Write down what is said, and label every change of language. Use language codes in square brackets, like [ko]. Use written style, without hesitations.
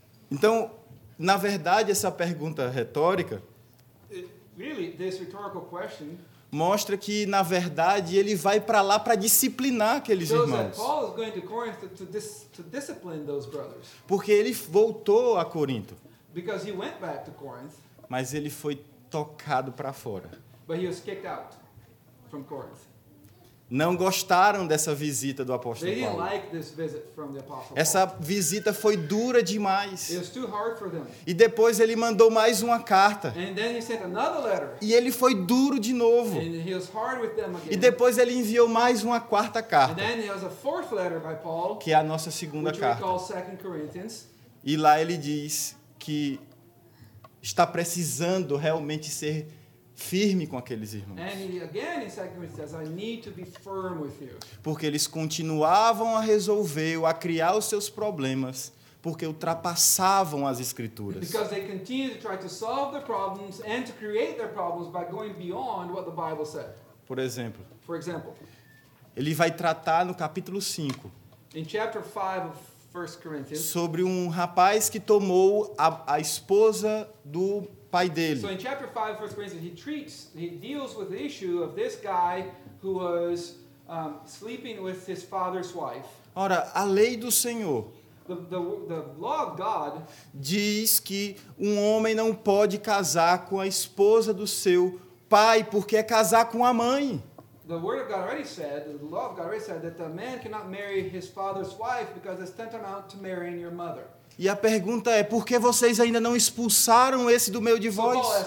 [pt] Então, na verdade, essa pergunta retórica... [en] Really, this rhetorical question... [pt] mostra que, na verdade, ele vai para lá para disciplinar aqueles irmãos. [en] Paul is going to Corinth to discipline those brothers. [pt] Porque ele voltou a Corinto. [en] Because he went back to Corinth. [pt] Mas ele foi tocado para fora. [en] But he was kicked out from Corinth. [pt] Não gostaram dessa visita do apóstolo [en] Paulo. They didn't [pt] Paulo. [en] Like this visit from the apostle Paul. [pt] Essa visita foi dura demais. [en] It was too hard for them. [pt] E depois ele mandou mais uma carta. [en] And then he sent another letter. [pt] E ele foi duro de novo. [en] And he was hard with them again. [pt] E depois ele enviou mais uma quarta carta. [en] And then there was a fourth letter by Paul, [pt] que é a nossa segunda carta. [en] Which we call 2 Corinthians. [pt] E lá ele diz que está precisando realmente ser firme com aqueles irmãos. [en] And again, in 2 Corinthians, I need to be firm with you. [pt] Porque eles continuavam a resolver ou a criar os seus problemas porque ultrapassavam as escrituras. [en] Because they continue to try to solve their problems and to create their problems by going beyond what the Bible said. [pt] Por exemplo. [en] For example. [pt] Ele vai tratar no capítulo 5. [en] In chapter 5 of 1 Corinthians. [pt] Sobre um rapaz que tomou a esposa do pai dele. [en] So in chapter 5 of 1 Corinthians, he deals with the issue of this guy who was sleeping with his father's wife. [pt] Ora, a lei do Senhor. [en] The law of God [pt] diz que um homem não pode casar com a esposa do seu pai porque é casar com a mãe. [en] The word of God already said, the law of God already said that a man cannot marry his father's wife because it's tantamount to marrying your mother. [pt] E a pergunta é, por que vocês ainda não expulsaram esse do meio de vós?